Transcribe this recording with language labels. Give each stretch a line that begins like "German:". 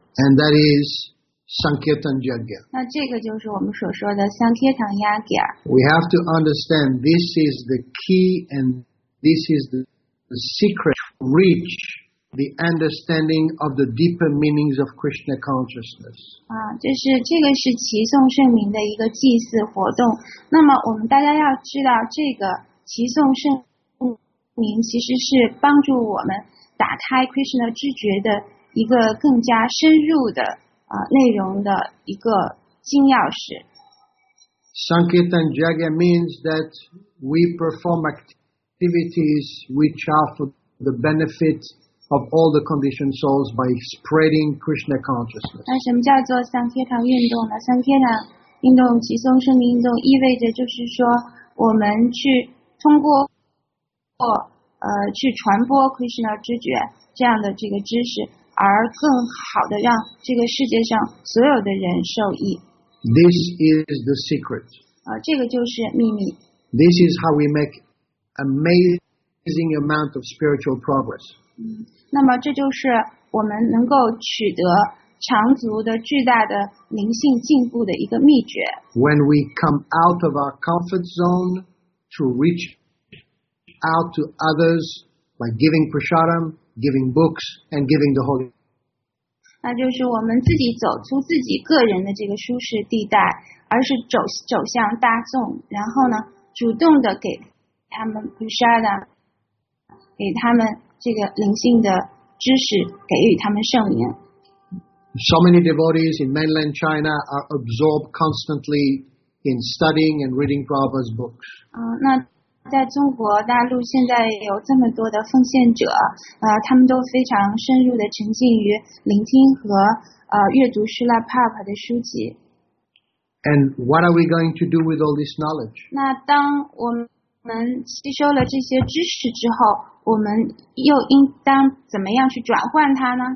English: And that is Sankirtan Yagya.
Chinese: 那这个就是我们所说的 Sankirtan Yagya.
English: We have to understand this is the key andThis is the secret to reach the understanding of the deeper meanings of Krishna consciousness.
Chinese: 就是这个是齐颂圣名的一个祭祀活动。那么我们大家要知道，这个齐颂圣名其实是帮助我们打开 Krishna 知觉的一个更加深入的内容的一个金钥匙。
English: Sankirtan Jagya means that we perform activities which are for the benefit of all the conditioned souls by spreading Krishna consciousness.
Chinese: 那什么叫做 Sankirtan 运动呢 ？Sankirtan 运动，齐颂圣名运动，意味着就是说，我们去通过去传播 Krishna 知觉这样的这个知识，而更好的让这个世界上所有的人受益。
English: This is the secret.
Chinese: 这个就是秘密。
English: This is how we make amazing amount of spiritual progress.
Chinese: 那么这就是我们能够取得长足的巨大的灵性进步的一个秘诀。
English: When we come out of our comfort zone to reach out to others by giving prasadam, giving books, and giving the Holy Spirit.
Chinese: 那就是我们自己走出自己个人的这个舒适地带，而是 走向大众，然后呢，主动的给他们 prasadam, 给他们这个灵性的知识，给予他们圣灵。
English: So many devotees in mainland China are absorbed constantly in studying and reading Prabhupada's books.
Chinese: 那在中国大陆现在有这么多的奉献者，他们都非常深入的沉浸于聆听和阅读师拉帕帕的书籍。
English: And what are we going to do with all this knowledge?
Chinese: 那当我们吸收了这些知识之后，我们又应当怎么样去转换它呢？